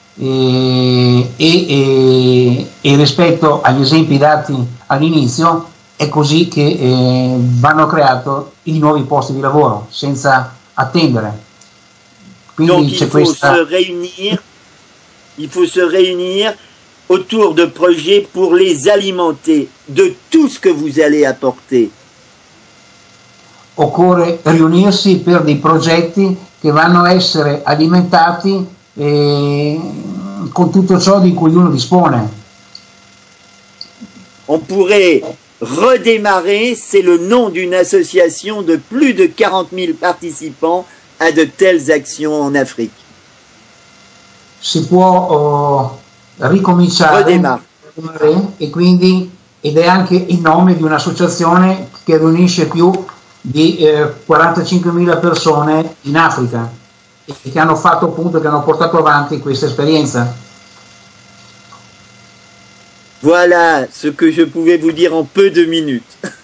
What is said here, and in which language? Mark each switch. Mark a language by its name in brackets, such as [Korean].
[Italian] E rispetto agli esempi dati all'inizio, è così che vanno creati i nuovi posti di lavoro, senza attendere. Quindi donc, c'è questa... [French] il faut se réunir autour de projets pour les alimenter de tout ce que vous allez apporter. [Italian] Occorre riunirsi per dei progetti che vanno a essere alimentati con tutto ciò di cui uno dispone. [French] On pourrait redémarrer, c'est le nom d'une association de plus de 40.000 participants à de telles actions en Afrique. [Italian] Si può ricominciare, [French] redémarrer, [Italian] e quindi, ed è anche il nome di un'associazione che riunisce più di 45.000 persone in Africa e che hanno fatto appunto, che hanno portato avanti questa esperienza. [French] Voilà ce que je pouvais vous dire en peu de minutes.